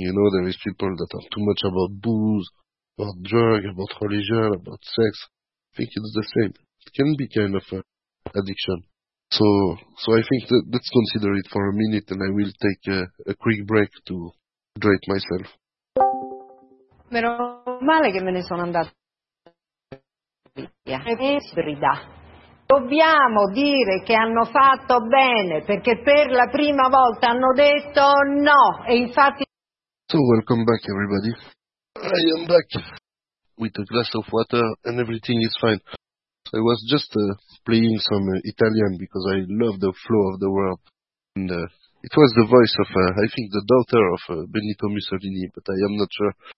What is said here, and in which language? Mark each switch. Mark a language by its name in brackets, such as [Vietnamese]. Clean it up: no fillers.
[English] You know, there is people that are too much about booze, about drug, about religion, about sex. I think it's the same. It can be kind of an addiction. So I think that let's consider it for a minute, and I will take a quick break to hydrate myself. [Italian] Meno male che me ne sono andata via. Ebrida. Dobbiamo dire che hanno fatto bene, perché per la prima volta hanno detto no, e infatti... [English] So, welcome back, everybody. I am back with a glass of water, and everything is fine. I was just playing some Italian, because I love the flow of the world. And it was the voice of, I think, the daughter of Benito Mussolini, but I am not sure.